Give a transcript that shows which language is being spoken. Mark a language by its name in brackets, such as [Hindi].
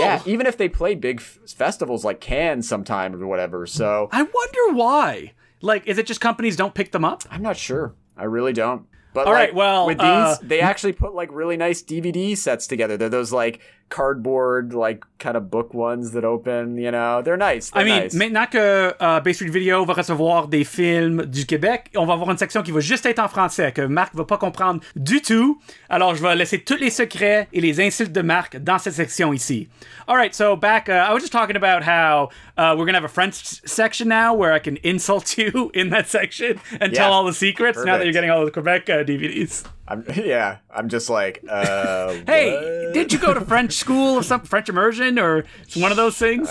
[English] Yeah, even if they play big festivals like Cannes sometime or whatever, so... I wonder why. Like, is it just companies don't pick them up? I'm not sure. I really don't. But all like, right, well, with these, they actually put like really nice DVD sets together. They're those like cardboard, like kind of book ones that open, you know, they're nice. They're I mean, nice. [French] Maintenant que Bay Street Video va recevoir des films du Québec, on va avoir une section qui va juste être en français, que Marc va pas comprendre du tout. Alors, je vais laisser tous les secrets et les insultes de Marc dans cette section ici. [English] All right, so back, I was just talking about how we're going to have a French section now where I can insult you in that section and tell all the secrets. Perfect. Now that you're getting all the Quebec DVDs. I'm just like, hey, did you go to French school or something? French immersion or one of those things?